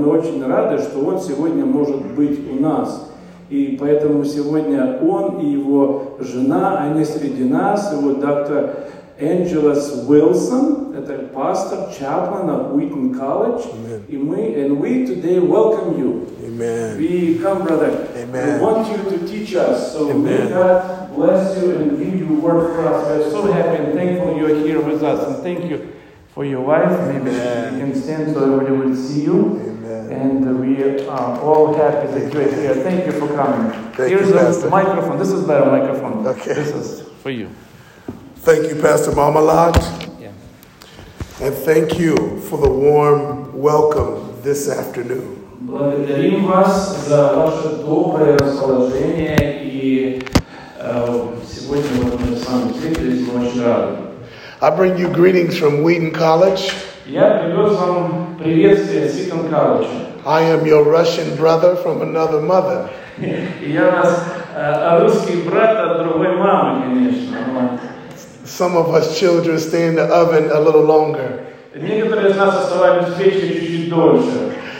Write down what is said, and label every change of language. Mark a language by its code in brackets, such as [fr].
[ru] Мы очень рады, что он сегодня может быть у нас. И поэтому сегодня он и его жена, они среди нас, и вот доктор Энджелес Уилсон, это пастор Чаплана Уитон Колледж, и мы, [en] and we today welcome you. Amen. We come, brother. Amen. We want you to teach us. So may God bless you and give you word for us. We're so happy and thankful you're here with us. And thank you for your wife. Maybe you can stand so everybody will see you. Amen. And we are all happy that you're here. Thank you for coming. Thank Here's you, a Pastor. Microphone. This is the microphone. Okay. This is for you. Thank you, Pastor Marmalat. Yeah. And thank you for the warm welcome this afternoon. [ru] Благодарим вас за ваше доброе расположение, и сегодня мы на самом деле здесь очень рады. [en] I bring you greetings from Wheaton College. [ru] Я привез вам приветствие с Wheaton College. [en] I am your Russian brother from another mother. [ru] Я вас русский брат от другой мамы, конечно. [en] Some of us children stay in the oven a little longer. [ru] Некоторые из нас оставались в печи чуть-чуть дольше.